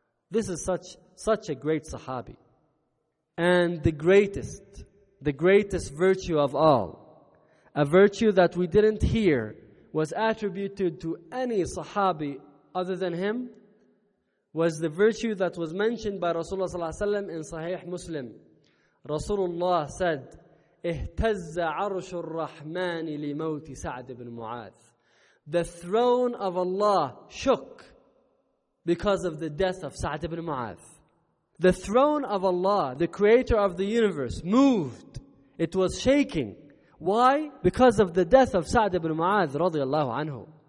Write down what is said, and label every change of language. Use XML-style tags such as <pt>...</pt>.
<en>This is such a great Sahabi. And the greatest virtue of all, a virtue that we didn't hear was attributed to any Sahabi other than him, was the virtue that was mentioned by Rasulullah sallallahu alaihi wasallam in Sahih Muslim.</en> <ar>Rasulullah said, اهتز عرش الرحمن لموت سعد بن معاذ.</ar> <en>The throne of Allah shook because of the death of Sa'd ibn Mu'adh. The throne of Allah, the creator of the universe, moved. It was shaking. Why? Because of the death of Sa'd ibn Mu'adh radiallahu anhu.</en>